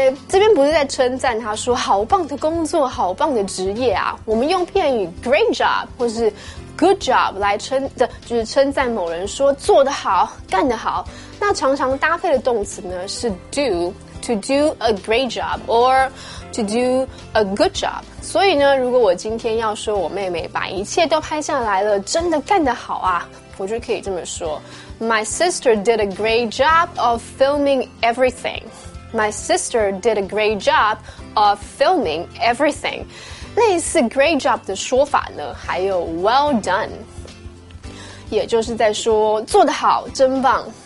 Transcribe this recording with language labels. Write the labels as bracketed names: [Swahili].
[Chinese] 这边不是在称赞他说好棒的工作好棒的职业啊，我们用片语 great job 或是 good job 来称的就是称赞某人说做得好干得好，那常常搭配的动词呢是 [English] do to do a great job or to do a good job， [Chinese] 所以呢如果我今天要说我妹妹把一切都拍下来了真的干得好啊，我就可以这么说 [English] My sister did a great job of filming everything。 My sister did a great job of filming everything. [Chinese] 类似 great job 的说法呢，还有 well done， 也就是在说做得好，真棒。